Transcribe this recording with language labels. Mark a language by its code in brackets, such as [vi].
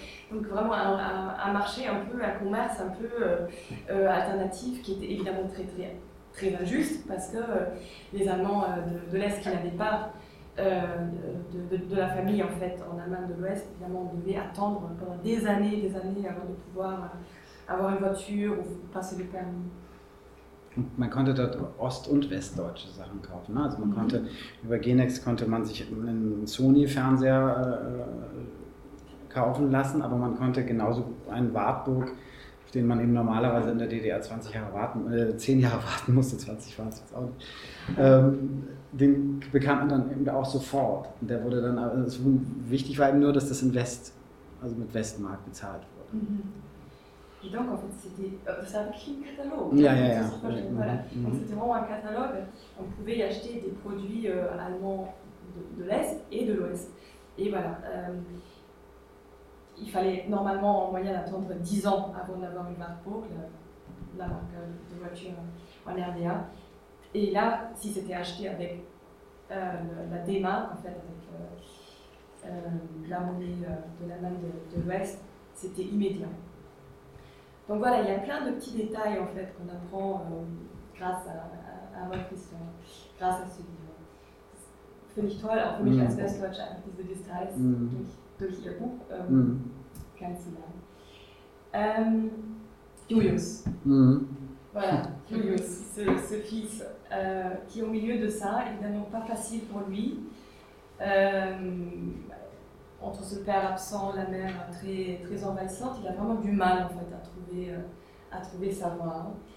[fr] Donc vraiment un marché un peu, un commerce un peu alternatif qui était évidemment très, très, très injuste parce que les Allemands de l'Est qui n'avaient pas de la famille en fait en Allemagne de l'Ouest, évidemment, devaient attendre pendant des années avant de pouvoir avoir une voiture ou passer le permis. [de] Man konnte dort ost- und westdeutsche Sachen kaufen. Also man konnte über Genex konnte man sich einen Sony-Fernseher kaufen lassen, aber man konnte genauso einen Wartburg, auf den man eben normalerweise in der DDR 20 Jahre warten, 10 Jahre warten musste, 20 war es jetzt auch nicht, den bekam man dann eben auch sofort. Und der wurde dann, also wichtig war eben nur, dass das in West, also mit Westmark bezahlt wurde. [fr] Et donc, en fait, c'était, ça avait écrit un catalogue. Donc, c'était vraiment un catalogue. On pouvait y acheter des produits allemands de l'Est et de l'Ouest. Et voilà. Il fallait normalement en moyenne attendre 10 ans avant d'avoir une Wartburg, la marque de voiture en RDA. Et là, si c'était acheté avec la DEMA, en fait, avec la monnaie de l'Allemagne de l'Ouest, c'était immédiat. Donc voilà, il y a plein de petits détails en fait qu'on apprend grâce à votre histoire, grâce à ce livre. [de] Finde ich toll, auch für mich als Westdeutsche, einfach diese Details durch Ihr Buch kennenzulernen. Julius. [fr] Voilà, Julius, ce fils qui est au milieu de ça, évidemment pas facile pour lui. Entre ce père absent, la mère très, très envahissante, il a vraiment du mal en fait à trouver sa voie.